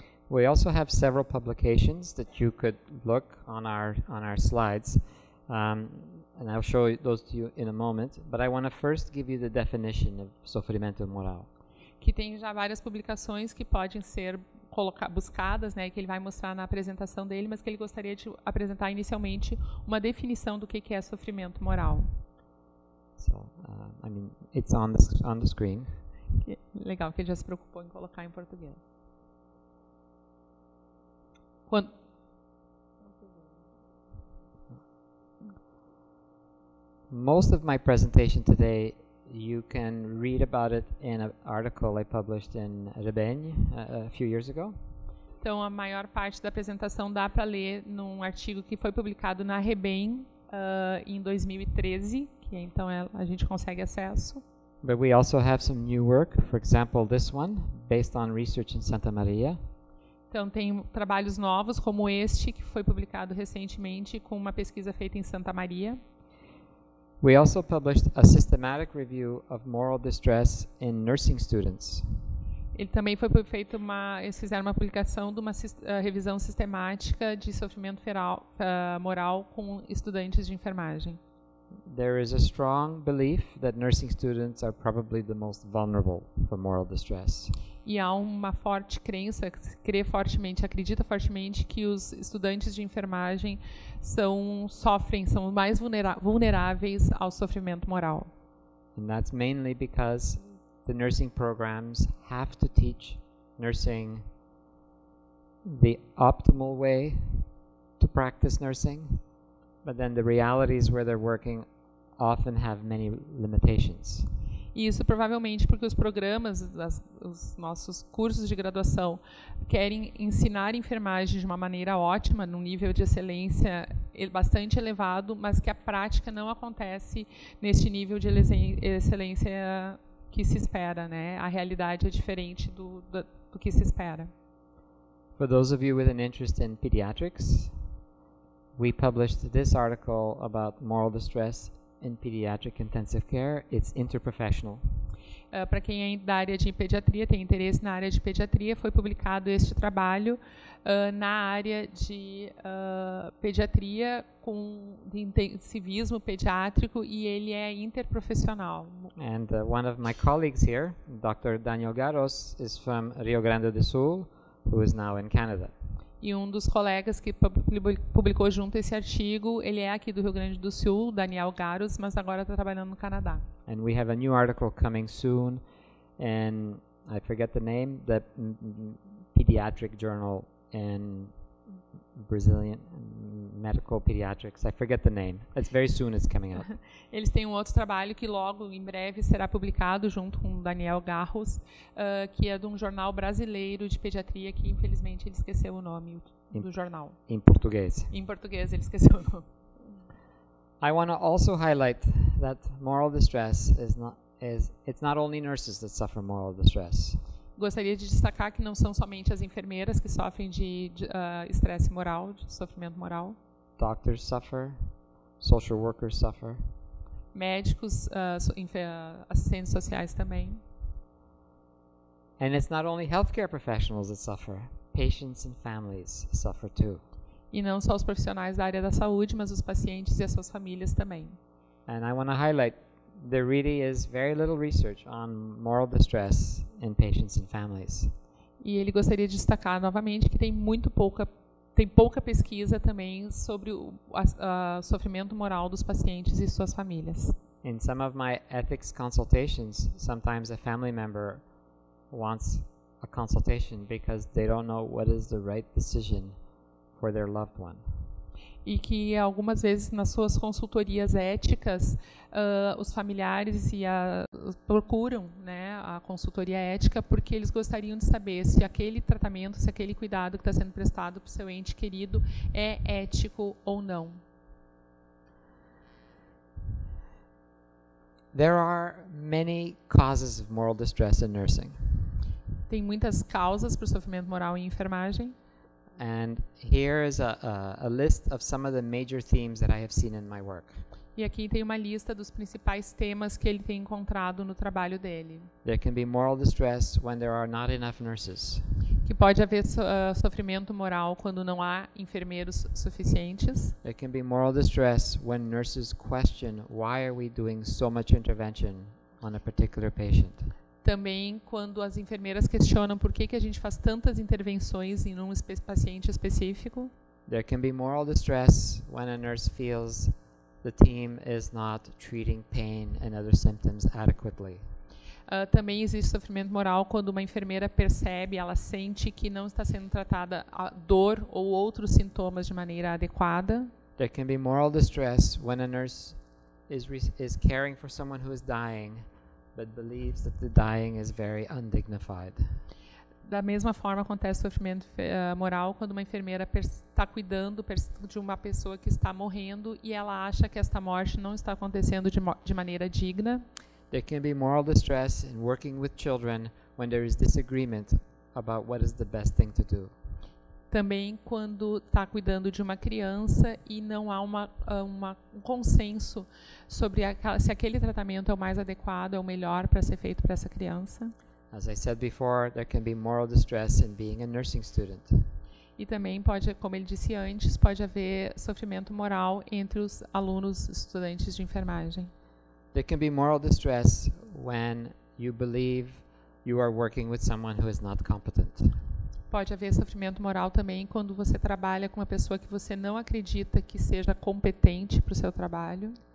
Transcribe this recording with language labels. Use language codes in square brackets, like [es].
[en] We also have several publications that you could look on our slides. And I'll show those to you in a moment, but I want to first give you the definition of sofrimento moral. [pt] Que tem já várias publicações que podem ser buscadas, né, que ele vai mostrar na apresentação dele, mas que ele gostaria de apresentar inicialmente uma definição do que é sofrimento moral. [en] So, I mean, it's on the screen. [pt] Que legal que ele já se preocupou em colocar em português. Quando [en] most of my presentation today, you can read about it in an article I published in Rebenj a few years ago. [pt] Então, a maior parte da apresentação dá para ler num artigo que foi publicado na Rebenj em 2013, que então a gente consegue acesso. [en] But we also have some new work, for example, this one, based on research in Santa Maria. [pt] Então, tem trabalhos novos, como este, que foi publicado recentemente com uma pesquisa feita em Santa Maria. [en] We also published a systematic review of moral distress in nursing students. [pt] Ele também foi feito uma, eles fizeram uma publicação de uma revisão sistemática de sofrimento feral, moral com estudantes de enfermagem. [en] There is a strong belief that nursing students are probably the most vulnerable for moral distress. [pt] E há uma forte crença, acredita fortemente que os estudantes de enfermagem são mais vulneráveis ao sofrimento moral. [en] And that's mainly because the nursing programs have to teach nursing the optimal way to practice nursing, but then the realities where they're working often have many limitations. [pt] Isso provavelmente porque os programas, os nossos cursos de graduação querem ensinar enfermagem de uma maneira ótima, num nível de excelência bastante elevado, mas que a prática não acontece neste nível de excelência que se espera, né? A realidade é diferente do que se espera. [en] For those of you with an interest in pediatrics, we published this article about moral distress in pediatric intensive care, it's interprofessional. [pt] Para quem é da área de pediatria, tem interesse na área de pediatria, foi publicado este trabalho na área de pediatria com intensivismo pediátrico e ele é interprofessional. [en] And one of my colleagues here, Dr. Daniel Garros, is from Rio Grande do Sul, who is now in Canada. [pt] E um dos colegas que publicou junto esse artigo, ele é aqui do Rio Grande do Sul, Daniel Garros, mas agora está trabalhando no Canadá. [en] And we have a new article coming soon, and I forget the name, the pediatric journal in Brazilian Medical Pediatrics. I forget the name. It's very soon it's coming out. [pt] Eles têm um outro trabalho que logo, em breve, será publicado junto com Daniel Garros, que é de um jornal brasileiro de pediatria que, infelizmente, ele esqueceu o nome do jornal. Em português. Em português, ele esqueceu o nome. [en] I want to also highlight that moral distress it's not only nurses that suffer moral distress. [pt] Gostaria de destacar que não são somente as enfermeiras que sofrem de estresse moral, de sofrimento moral. [en] Doctors suffer, social workers suffer. [pt] Médicos, assistentes sociais também. [en] And it's not only healthcare professionals that suffer. Patients and families suffer too. [pt] E não só os profissionais da área da saúde, mas os pacientes e as suas famílias também. [en] And I want to highlight, there really is very little research on moral distress in patients and families. [pt] E ele gostaria de destacar novamente que tem pouca pesquisa também sobre o sofrimento moral dos pacientes e suas famílias. [en] In some of my ethics consultations, sometimes a family member wants a consultation because they don't know what is the right decision for their loved one. [pt] E que algumas vezes nas suas consultorias éticas, os familiares procuram, né, a consultoria ética porque eles gostariam de saber se aquele tratamento, se aquele cuidado que está sendo prestado para o seu ente querido é ético ou não. [en] There are many causes of moral distress in nursing. [pt] Tem muitas causas para o sofrimento moral em enfermagem. [en] And here is a list of some of the major themes that I have seen in my work. [pt] E aqui tem uma lista dos principais temas que ele tem encontrado no trabalho dele. [en] There can be moral distress when there are not enough nurses. [pt] Que pode haver sofrimento moral quando não há enfermeiros suficientes. [en] There can be moral distress when nurses question why are we doing so much intervention on a particular patient. [pt] Também quando as enfermeiras questionam por que que a gente faz tantas intervenções em um paciente específico. [en] There can be moral distress when a nurse feels the team is not treating pain and other symptoms adequately. [pt] Também existe sofrimento moral quando uma enfermeira percebe, ela sente que não está sendo tratada a dor ou outros sintomas de maneira adequada. [en] There can be moral distress when a nurse is caring for someone who is dying, but believes that the dying is very undignified. [pt] Da mesma forma, acontece sofrimento moral quando uma enfermeira está cuidando de uma pessoa que está morrendo e ela acha que esta morte não está acontecendo de maneira digna. [en] There can be moral distress in working with children when there is disagreement about what is the best thing to do. [pt] Também quando está cuidando de uma criança e não há um consenso sobre se aquele tratamento é o mais adequado, é o melhor para ser feito para essa criança. [en] As I said before, there can be moral distress in being a nursing student. [pt] E também pode, como ele disse antes, pode haver sofrimento moral entre os alunos estudantes de enfermagem. [en] There can be moral distress when you believe you are working with someone who is not competent. [pt] Pode haver sofrimento moral também quando você trabalha com uma pessoa que você não acredita que seja competente para o seu trabalho.